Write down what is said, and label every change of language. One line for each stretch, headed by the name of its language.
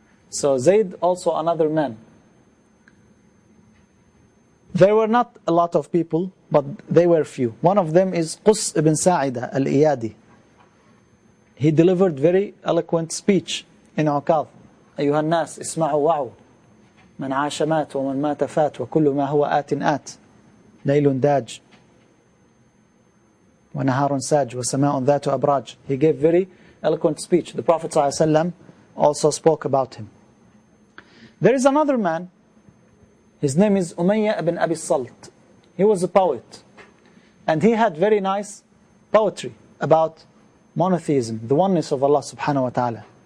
English: So Zayd, also another man. There were not a lot of people, but they were few. One of them is Qus ibn Sa'ida al-Iyadi. He delivered very eloquent speech in Uqaf.
Arabic: أيها الناس اسمعوا وعوا من عاش مات ومن مات فات وكل ما هو آت آت ليل داج ونهار ساج وسماء ذات أبراج.
English: He gave very eloquent speech. The Prophet ﷺ also spoke about him. There is another man. His name is Umayya ibn Abi Salt. He was a poet. And he had very nice poetry about monotheism, the oneness of Allah subhanahu wa ta'ala.